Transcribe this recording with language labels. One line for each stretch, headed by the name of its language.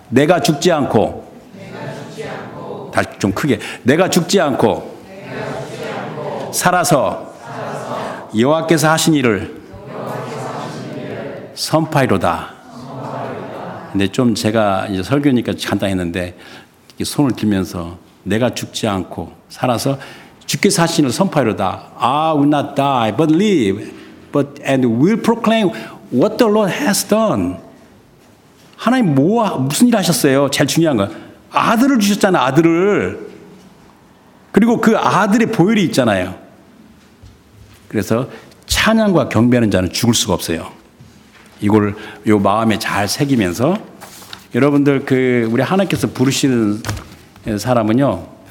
Korean: 내가 죽지 않고, 다시 좀 크게, 내가 죽지 않고 살아서 여호와께서 하신 일을 선파이로다. 근데 좀 제가 이제 설교니까 간단했는데 손을 들면서 내가 죽지 않고 살아서 주께서 하신 일을 선파이로다.
English: I will not die but live but and will proclaim what the Lord has done.
Korean: 하나님 무슨 일 하셨어요? 제일 중요한 건 아들을 주셨잖아요. 아들을. 그리고 그 아들의 보혈이 있잖아요. 그래서 찬양과 경배하는 자는 죽을 수가 없어요. 이걸 요 마음에 잘 새기면서 여러분들 그 우리 하나님께서 부르시는 사람은요.